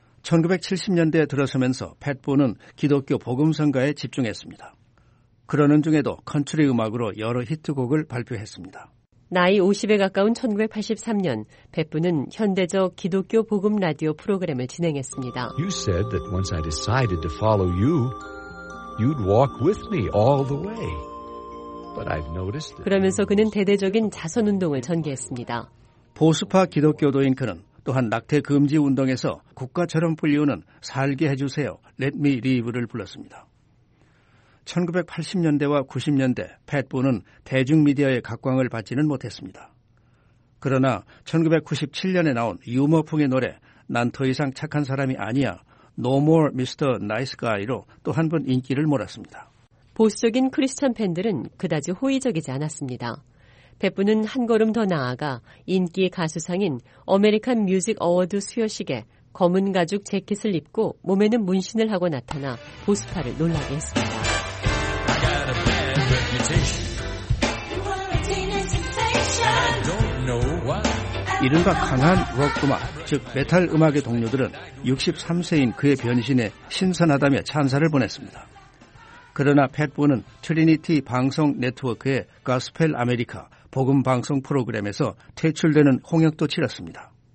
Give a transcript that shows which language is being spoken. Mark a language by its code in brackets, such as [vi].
[ko] 1970년대에 들어서면서 팻분은 기독교 복음성가에 집중했습니다. 그러는 중에도 컨트리 음악으로 여러 히트곡을 발표했습니다. 나이 50에 가까운 1983년, 팻분은 현대적 기독교 복음 라디오 프로그램을 진행했습니다. [en] You said that once I decided to follow you, you'd walk with me all the way. But I've noticed. [ko] 그러면서 그는 대대적인 자선 운동을 전개했습니다. 보수파 기독교도인 그는 또한 낙태 금지 운동에서 국가처럼 불리우는 살게 해주세요, [en] Let Me Live [ko] 를 불렀습니다. 1980년대와 90년대, 팻 부는 대중미디어의 각광을 받지는 못했습니다. 그러나 1997년에 나온 유머풍의 노래, 난 더 이상 착한 사람이 아니야, [en] No More Mr. [ko] Nice Guy로 또 한 번 인기를 몰았습니다. 보수적인 크리스찬 팬들은 그다지 호의적이지 않았습니다. 팻 부는 한 걸음 더 나아가 인기 가수상인 아메리칸 뮤직 어워드 수여식에 검은 가죽 재킷을 입고 몸에는 문신을 하고 나타나 보수파를 놀라게 했습니다. [en] You were a teenage sensation. I don't know why. I [ko] 이른바 강한 록 음악, 즉 메탈 음악의 동료들은 63세인 그의 변신에 신선하다며 찬사를 보냈습니다. 그러나 팻부는 트리니티 방송 네트워크의 가스펠 아메리카 복음 방송 프로그램에서 퇴출되는 홍역도 치렀습니다.